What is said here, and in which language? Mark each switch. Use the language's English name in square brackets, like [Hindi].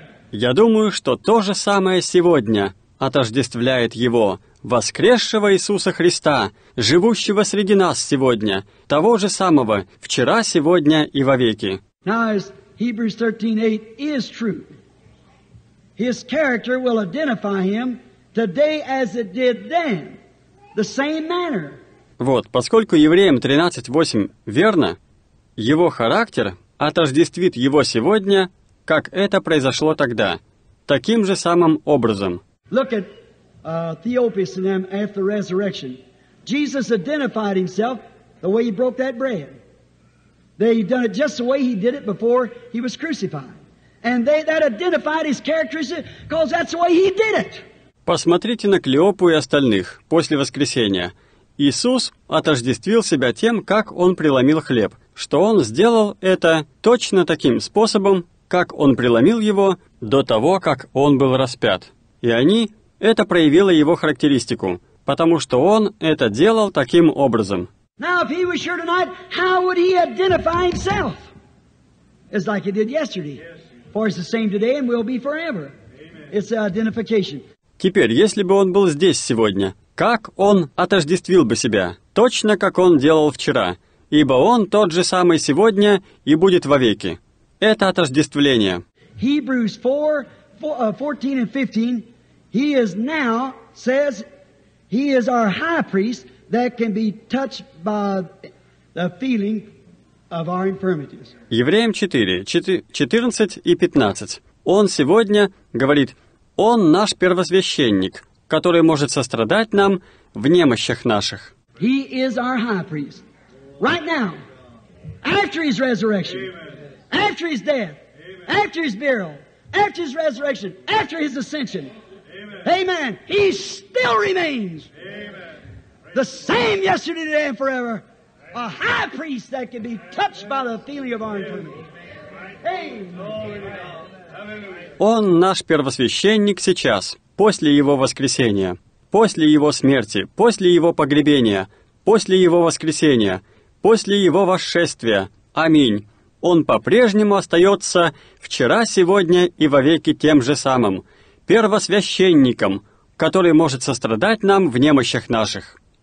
[Russian] Я думаю, что то же самое сегодня отождествляет Его, воскресшего Иисуса Христа, живущего среди нас сегодня, того же самого вчера, сегодня и вовеки. [English] Hebrews 13:8 is true. His character will identify him today as it did then, the same manner. [Russian] Вот, поскольку Евреям 13:8 верно, его характер отождествит его сегодня, как это произошло тогда, таким же самым образом. [English] Look at Theophilus and them after the resurrection. Jesus identified himself the way he broke that bread. They've done it just the way he did it before he was crucified. And that identified his characteristics, because that's the way he did it. [Russian] Посмотрите на Клеопу и остальных после воскресения. Иисус отождествил себя тем, как он преломил хлеб, что он сделал это точно таким способом, как он преломил его до того, как он был распят. И они, это проявило его характеристику, потому что он это делал таким образом. [English] Now, if he was here tonight, how would he identify himself? It's like he did yesterday. For it's the same today and will be forever. It's identification. [Russian] Теперь, если бы он был здесь сегодня, как он отождествил бы себя? Точно как он делал вчера. Ибо он тот же самый сегодня и будет вовеки. Это отождествление. [English] Hebrews 4:14 and 15, he is now, says, he is our high priest, that can be touched by the feeling of our infirmities. [Russian] Евреям 4:14 и 15. Он сегодня говорит, Он наш первосвященник, который может сострадать нам в немощах наших. [English] He is our high priest. Right now, after His resurrection, after His death, after His burial, after His resurrection, after His ascension. Amen. He still remains the same yesterday, today, and forever. A high priest that can be touched by the feeling of our infirmity. [Russian] Он наш первосвященник сейчас, после Его воскресения, после Его смерти, после Его погребения, после Его воскресения, после Его восшествия. Аминь. Он по-прежнему остается вчера, сегодня и вовеки тем же самым, первосвященником, который может сострадать нам в немощах наших.